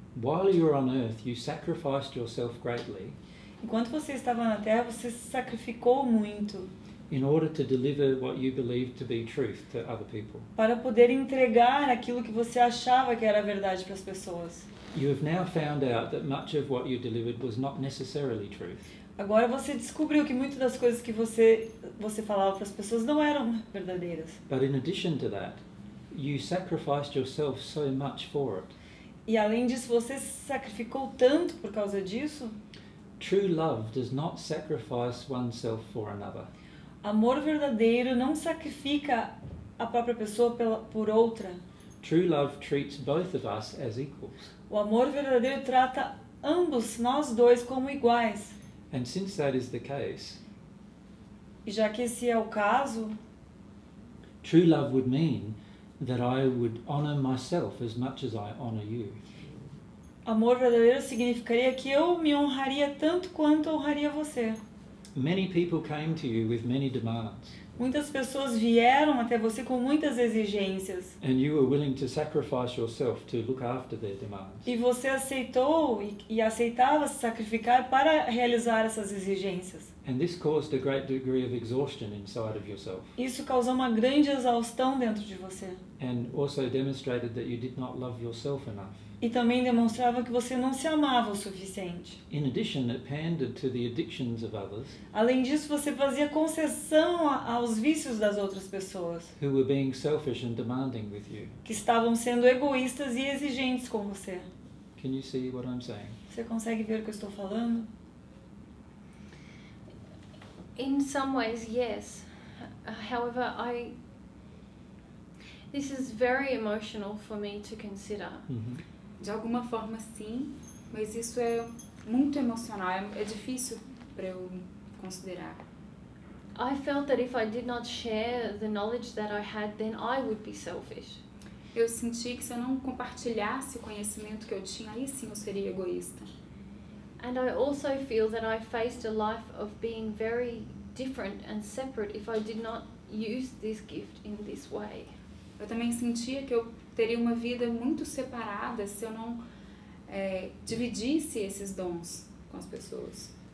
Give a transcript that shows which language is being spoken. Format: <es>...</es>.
<en>While you're on earth, you sacrificed yourself greatly.</en> <pt>Enquanto você estava na Terra, você se sacrificou muito.</pt> <en>In order to deliver what you believed to be truth to other people.</en> <pt>Para poder entregar aquilo que você achava que era verdade para as pessoas.</pt> <en>You have now found out that much of what you delivered was not necessarily truth.</en> <pt>Agora você descobriu que muitas das coisas que você falava para as pessoas não eram verdadeiras.</pt> <en>But in addition to that, you sacrificed yourself so much for it.</en> <pt>E além disso, você se sacrificou tanto por causa disso.</pt> <en>True love does not sacrifice oneself for another.</en> <pt>Amor verdadeiro não sacrifica a própria pessoa por outra.</pt> <en>True love treats both of us as equals.</en> <pt>O amor verdadeiro trata ambos nós dois como iguais.</pt> <en>And since that is the case,</en> <pt>e já que esse é o caso,</pt> <en>true love would mean that I would honor myself as much as I honor you.</en> <pt>Amor verdadeiro significaria que eu me honraria tanto quanto honraria você.</pt> <en>Many people came to you with many demands.</en> <pt>Muitas pessoas vieram até você com muitas exigências.</pt> <en>And you were willing to sacrifice yourself to look after their demands.</en> <pt>E você aceitou e aceitava se sacrificar para realizar essas exigências.</pt> <en>And this caused a great degree of exhaustion inside of yourself.</en> <pt>Isso causou uma grande exaustão dentro de você.</pt> <en>And also demonstrated that you did not love yourself enough.</en> <pt>E também demonstrava que você não se amava o suficiente.</pt> <en>In addition, it pandered to the addictions of others.</en> <pt>Além disso, você fazia concessão aos vícios das outras pessoas.</pt> <en>Who were being selfish and demanding with you.</en> <pt>Que estavam sendo egoístas e exigentes com você.</pt> <en>Can you see what I'm saying?</en> <pt>Você consegue ver o que eu estou falando?</pt> <en>In some ways, yes. However, this is very emotional for me to consider. Mm-hmm.</en> <pt>De alguma forma, sim, mas isso é muito emocional, é difícil para eu considerar.</pt> <en>I felt that if I did not share the knowledge that I had, then I would be selfish.</en> <pt>Eu senti que se eu não compartilhasse o conhecimento que eu tinha, aí sim eu seria egoísta.</pt> <en>And I also feel that I faced a life of being very different and separate if I did not use this gift in this way.</en> <pt>Eu também sentia que eu teria uma vida muito separada se eu não dividisse esses dons com as pessoas.</pt>